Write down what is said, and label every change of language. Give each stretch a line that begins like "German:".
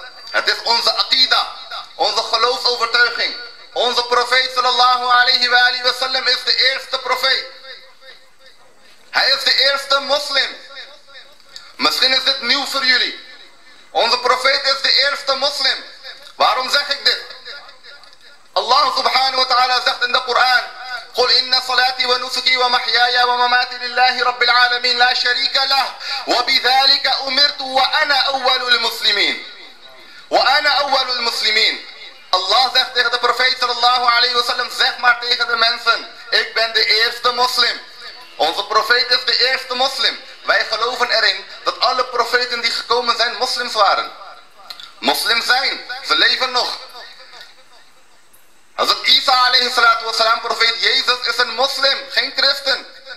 Dutch: Het is onze aqida, onze geloofsovertuiging. Onze profeet
Arabic: sallallahu alayhi wa alihi wa sallam
Dutch: is de eerste profeet. Hij is de eerste moslim. Misschien is dit nieuw voor jullie. Onze profeet is de eerste moslim. Waarom zeg ik dit?
Arabic: Allah subhanahu wa ta'ala
Dutch: zegt in de Koran:
Arabic: قل إن صلاتي ونسكي ومحياي ومماتي لله رب العالمين لا شريك له وبذلك أمرت وأنا أول المسلمين وأنا أول المسلمين.
Dutch: الله zegt tegen de profeet
Arabic: sallallahu alayhi wa sallam,
Dutch: zeg maar tegen de mensen, ik ben de eerste moslim. Onze profeet is de eerste moslim. Wij geloven erin dat alle profeten die gekomen zijn moslims waren. Moslims zijn, ze leven nog. Hazrat Isa
Arabic: alayhi salatu wa salam,
Dutch: profeet Jezus, is een moslim, geen christen.